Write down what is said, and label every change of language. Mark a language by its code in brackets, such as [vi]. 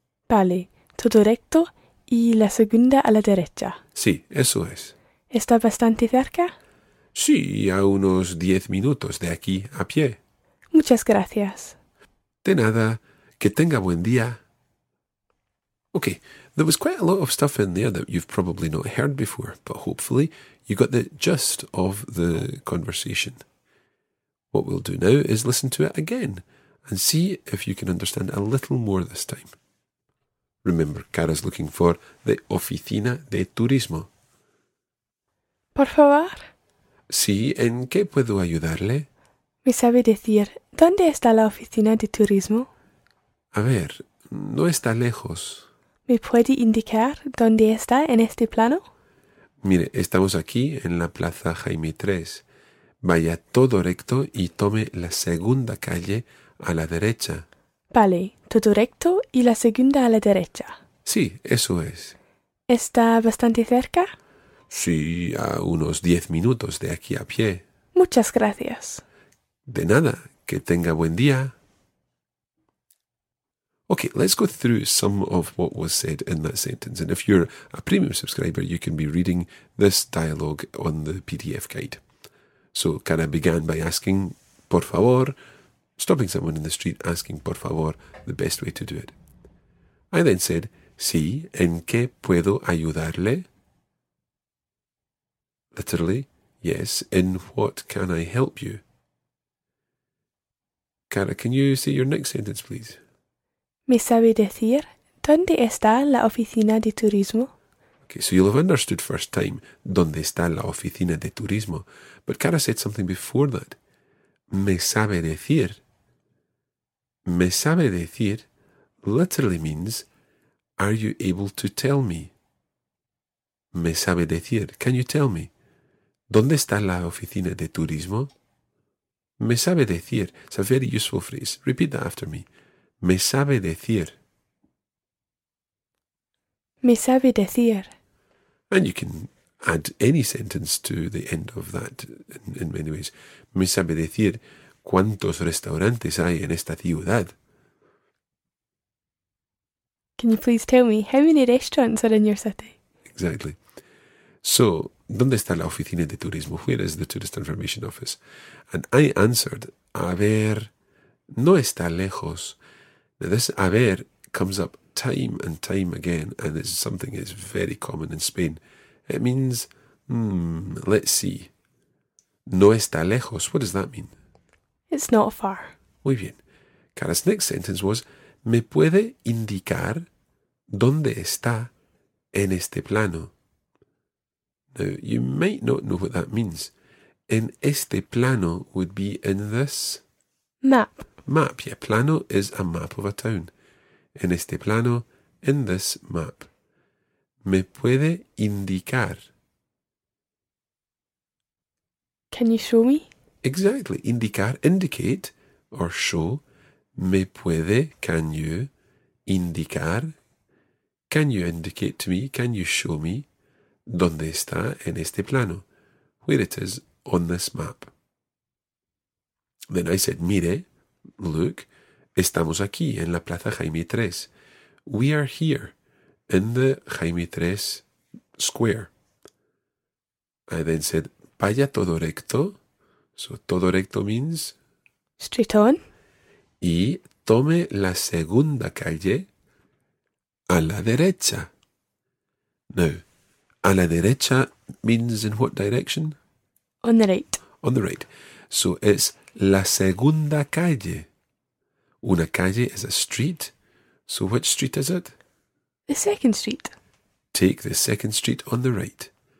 [es] Vale, todo recto y la segunda a la derecha. Sí, eso es. ¿Está bastante cerca? Sí, a unos 10 minutos de aquí a pie. Muchas gracias. De nada, que tenga buen día. [en] Okay, there was quite a lot of stuff in there that you've probably not heard before, but hopefully you got the gist of the conversation. What we'll do now is listen to it again and see if you can understand a little more this time. Remember, Cara's looking for the [es] oficina de turismo. Por favor. Sí, ¿en qué puedo ayudarle? Me sabe decir, ¿dónde está la oficina de turismo? A ver, no está lejos. ¿Me puede indicar dónde está en este plano? Mire, estamos aquí en la Plaza Jaime III. Vaya todo recto y tome la segunda calle a la derecha. Vale, todo recto y la segunda a la derecha. Sí, eso es. ¿Está bastante cerca? Sí, a unos 10 minutos de aquí a pie. Muchas gracias. De nada, que tenga buen día. [en] Okay, let's go through some of what was said in that sentence. And if you're a premium subscriber, you can be reading this dialogue on the PDF guide. So, Cara began by asking, [es] por favor, [en] stopping someone in the street, asking, por favor, the best way to do it. I then said, [es] sí, ¿en qué puedo ayudarle? [en] Literally, yes, in what can I help you? Cara, can you say your next sentence, please? [es] ¿Me sabe decir dónde está la oficina de turismo? [en] Okay, so you'll have understood first time, [es] ¿dónde está la oficina de turismo? [en] But Cara said something before that. [es] ¿Me sabe decir? ¿Me sabe decir? [en] Literally means, are you able to tell me? [es] ¿Me sabe decir? [en] Can you tell me? [es] ¿Dónde está la oficina de turismo? ¿Me sabe decir? [en] It's a very useful phrase. Repeat that after me. [es] Me sabe decir. Me sabe decir. [en] And you can add any sentence to the end of that in many ways. [es] Me sabe decir cuántos restaurantes hay en esta ciudad. [en] Can you please tell me how many restaurants are in your city? Exactly. [es] So, ¿dónde está la oficina de turismo? [en] Where is the tourist information office? And I answered, [es] a ver, no está lejos. [en] Now this [es] a ver [en] comes up time and time again, and it's something that's very common in Spain. It means Let's see. [es] No está lejos. [en] What does that mean? It's not far. [es] Muy bien. [en] Cara's next sentence was, [es] ¿me puede indicar dónde está en este plano? [en] Now, you might not know what that means. [es] En este plano [en] would be in this... Map. Map, yeah. Plano is a map of a town. [es] En este plano, [en] in this map. [es] ¿Me puede indicar? [en] Can you show me? Exactly. Indicar, indicate, or show. [es] ¿Me puede, [en] can you, [es] indicar? [en] Can you indicate to me, can you show me, [es] dónde está en este plano? [en] Where it is on this map. Then I said, [es] mire, [en] look, [es] estamos aquí en la Plaza Jaime III. [en] We are here in the Jaime III Square. I then said, [es] vaya todo recto. [en] So [es] todo recto [en] means? Straight on. [es] Y tome la segunda calle a la derecha. [en] Now, [es] a la derecha [en] means in what direction? On the right. On the right. So it's [es] la segunda calle. Una calle [en] is a street. So which street is it? The second street. Take the second street on the right.